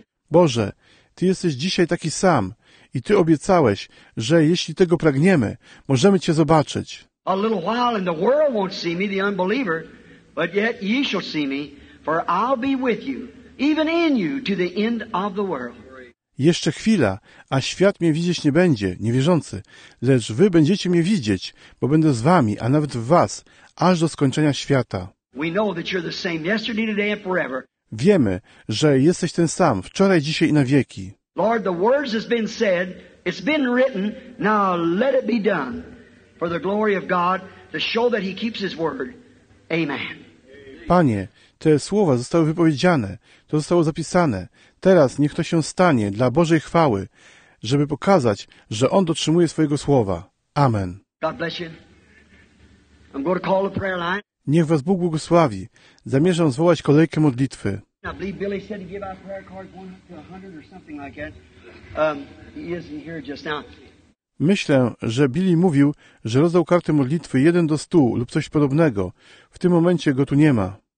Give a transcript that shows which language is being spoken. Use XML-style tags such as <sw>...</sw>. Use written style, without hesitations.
<pl>Boże, Ty jesteś dzisiaj taki sam i Ty obiecałeś, że jeśli tego pragniemy, możemy Cię zobaczyć.</pl> <en>A little while and the world won't see me, the unbeliever, but yet ye shall see me, for I'll be with you, even in you, to the end of the world.</en> <pl>Jeszcze chwila, a świat mnie widzieć nie będzie, niewierzący, lecz wy będziecie mnie widzieć, bo będę z wami, a nawet w was, aż do skończenia świata.</pl> <en>We know that you're the same yesterday, today and forever.</en> <pl>Wiemy, że jesteś ten sam, wczoraj, dzisiaj i na wieki.</pl> <en>Lord, the words has been said, it's been written, now let it be done. For the glory of God, to show that He keeps His word. Amen.</en> <pl>Panie, te słowa zostały wypowiedziane, to zostało zapisane. Teraz niech to się stanie dla Bożej chwały, żeby pokazać, że On dotrzymuje swojego słowa. Amen.</pl> <en>God bless you. I'm going to call the prayer line.</en> <pl>Niech was Bóg błogosławi. Zamierzam zwołać kolejkę modlitwy.</pl> <en>I believe Billy said to give out prayer cards 1 to 100 or something like that. He isn't here just now.</en> <pl>Myślę, że Billy mówił, że rozdał kartę modlitwy 1 do 100 lub coś podobnego. W tym momencie go tu nie ma.</pl>